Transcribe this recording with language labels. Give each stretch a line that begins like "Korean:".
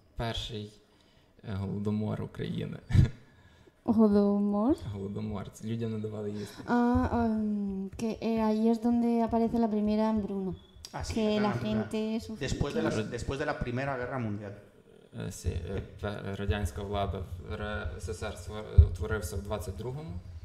Ukrainian: Перший голодомор України. Голодомор? Голодомор. Люди не давали їсти.
Spanish: Que ahí es donde aparece la primera hambruna. Así que la gente sufrió. Después de la Primera Guerra Mundial. Sí,
Ukrainian: радянська влада в СССР утворився в 22-му.